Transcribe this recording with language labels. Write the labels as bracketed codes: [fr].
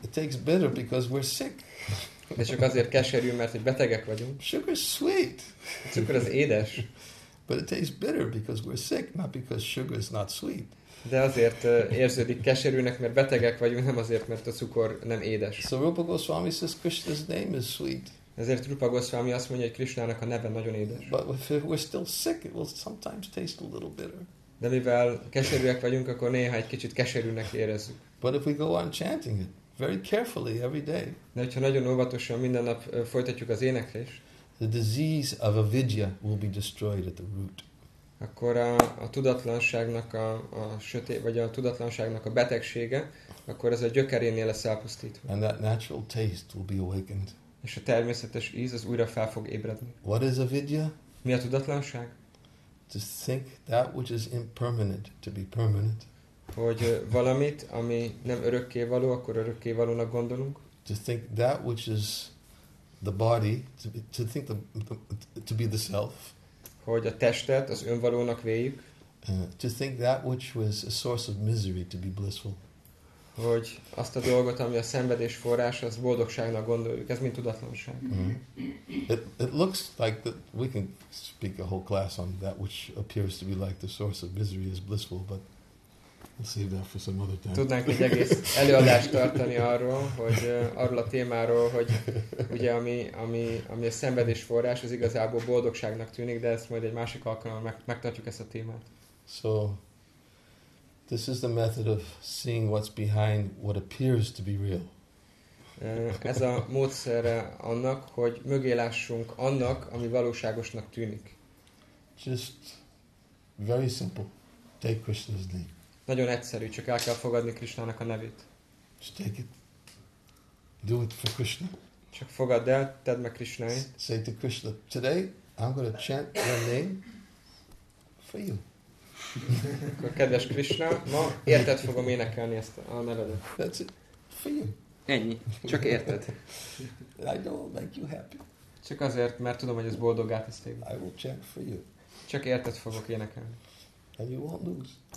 [en] It tastes bitter because we're sick. [hu] De csak azért keserű, mert hogy betegek vagyunk. [en] Sugar's sweet. [hu] A cukor az édes. [en] But it tastes bitter because we're sick, not because sugar is not sweet. [hu] De azért érződik keserűnek, mert betegek vagyunk, nem azért, mert a cukor nem édes. [en] So Rupa Goswami says Krishna's name is sweet. [hu] Ezért Rupa Goswami azt mondja, hogy Krishnának a neve nagyon édes. [en] But if we're still sick, it will sometimes taste a little bitter. [hu] De mivel keserűek vagyunk, akkor néha egy kicsit keserűnek érezzük. [en] But if we go on chanting it very carefully every day. [hu] De hogyha nagyon óvatosan minden nap folytatjuk az éneklést, [en] the disease of avidya will be destroyed at the root. [hu] Akkor a tudatlanságnak a sötét vagy a tudatlanságnak a betegsége, akkor ez a gyökerénél lesz elpusztítva. [en] And that natural taste will be awakened. [hu] És a természetes íz az újra fel fog ébredni. [en] What is avidya? [hu] Mi a tudatlanság? [en] To think that which is impermanent to be permanent. [hu] Hogy valamit, ami nem örökké való, akkor örökké valónak gondolunk. [en] To think that which is the body, to think to be the self. [hu] Hogy a testet az önvalónak véljük. [en] To think that which was a source of misery to be blissful. [hu] Hogy azt a dolgot, ami a szenvedés forrása, az boldogságnak gondoljuk. Ez mind tudatlanság. Mm-hmm. [en] It looks like that we can speak a whole class on that which appears to be like the source of misery is blissful, but we'll save that for some other time. [hu] Tudnánk egy egész előadást tartani arról, hogy arról a témáról, hogy ugye ami a szenvedés forrás, az igazából boldogságnak tűnik, de ezt majd egy másik alkalommal megtartjuk ezt a témát. [en] So this is the method of seeing what's behind what appears to be real. [hu] Ez a módszere annak, hogy mögé lássunk annak, ami valóságosnak tűnik. [en] Just very simple. Take Krishna's name. [hu] Nagyon egyszerű, csak el kell fogadni Krishnának a nevét. [en] Just take it. Do it for Krishna. [hu] Csak fogadd el, tedd meg Krishnáját. [en] Say to Krishna, today I'm going to chant your name for you. [hu] Akkor kedves Krishna, ma érted fogom énekelni ezt a nevedet. [en] That's it. For you. [hu] Ennyi. Csak érted. [en] I know I'll make you happy. [hu] Csak azért, mert tudom, hogy ez boldoggá tesz téged. [en] I will chant for you. [hu] Csak érted fogok énekelni. [en] And you won't lose.